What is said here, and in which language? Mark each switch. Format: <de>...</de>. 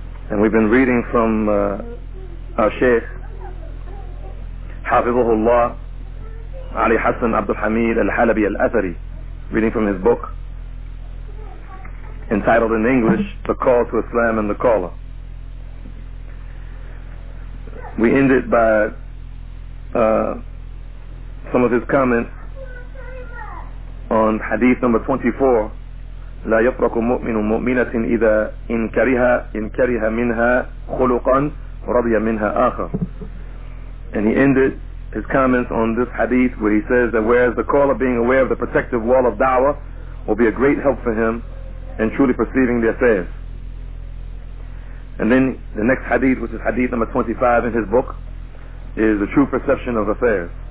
<en>And we've been reading from our Shaykh, Hafizullah Ali Hassan Abdul Hamid Al-Halabi Al-Athari, reading from his book entitled in English, The Call to Islam and the Caller. We ended by some of his comments on hadith number 24,</en> <ar>لا يفرق مؤمن مؤمنة إذا إن كره منها خلقا رضي منها آخر.</ar> <en>And he ended his comments on this hadith where he says that whereas the caller being aware of the protective wall of da'wah will be a great help for him in truly perceiving the affairs. And then the next hadith, which is hadith number 25 in his book, is the true perception of affairs.</en>